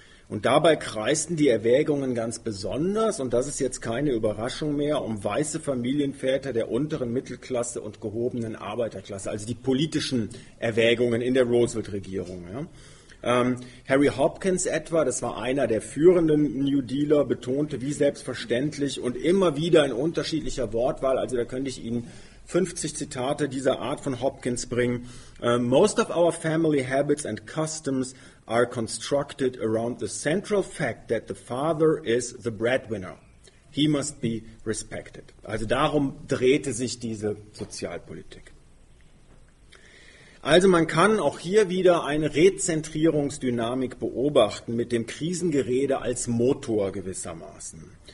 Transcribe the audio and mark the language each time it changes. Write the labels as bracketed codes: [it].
[de] Und dabei kreisten die Erwägungen ganz besonders, und das ist jetzt keine Überraschung mehr, um weiße Familienväter der unteren Mittelklasse und gehobenen Arbeiterklasse, also die politischen Erwägungen in der Roosevelt-Regierung. Ja. Harry Hopkins etwa, das war einer der führenden New Dealer, betonte, wie selbstverständlich und immer wieder in unterschiedlicher Wortwahl, also da könnte ich Ihnen 50 Zitate dieser Art von Hopkins bringen. [en] Most of our family habits and customs are constructed around the central fact that the father is the breadwinner. He must be respected. [de] Also darum drehte sich diese Sozialpolitik. Also man kann auch hier wieder eine Rezentrierungsdynamik beobachten mit dem Krisengerede als Motor gewissermaßen.